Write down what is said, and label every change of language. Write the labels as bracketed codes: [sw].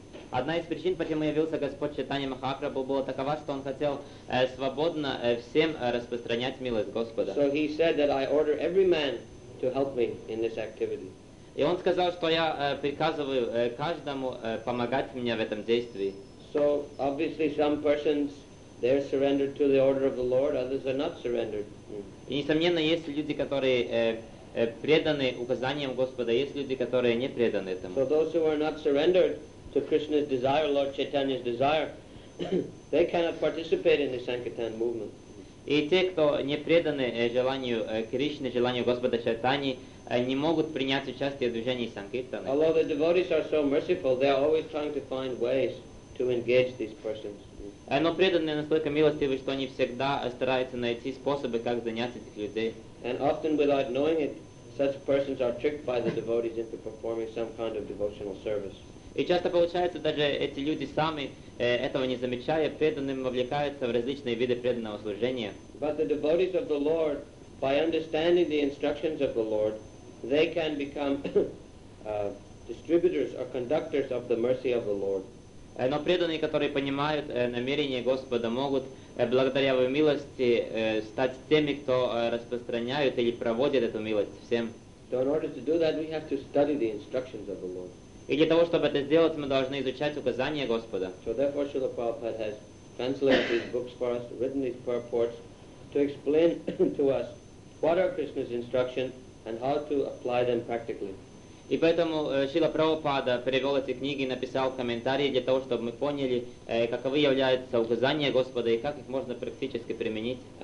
[ru] Одна из причин, почему явился Господь Чайтанья Махапрабху, была такова, что он хотел свободно всем распространять милость Господа. [en] So he said that I order every man to help me in this activity. [ru] И он сказал, что я приказываю каждому помогать мне в этом действии. [en] So obviously some persons, they're surrendered to the order of the Lord, others are not surrendered. [ru] И несомненно, есть люди, которые преданы указаниям Господа, есть люди, которые не преданы этому. [en] So those who are not surrendered to Krishna's desire, Lord Chaitanya's desire, they cannot participate in the Sankirtan movement. [ru] И те, кто не преданы желанию Кришны, желанию Господа Чайтаньи, не могут принять участие в движении Санкиртаны. [en] Although the devotees are so merciful, they are always trying to find ways to engage these persons. [ru] Но преданные настолько милостивы, что они всегда стараются найти способы, как занять этих людей. [en] And often without knowing it, such persons are tricked by the devotees into performing some kind of devotional service. [ru] И часто получается, даже эти люди сами этого не замечая, преданным вовлекаются в различные виды преданного служения. [en] But the devotees of the Lord, by understanding the instructions of the Lord, they can become distributors or conductors of the mercy of the Lord. [ru] Но преданные, которые понимают намерения Господа, могут благодаря его милости стать теми, кто распространяют или проводят эту милость всем. [en] So in order to do that, we have to study the instructions of the Lord. [ru] И для того, чтобы это сделать, мы должны изучать указания Господа. [en] So therefore, Srila Prabhupada has translated these books for us, written these purports, to explain to us what are Krishna's instructions and how to apply them practically. [ru] И поэтому Шрила Прабхупада перевел эти книги и написал комментарии для того, чтобы мы поняли, каковы являются указания Господа и как их можно практически применить.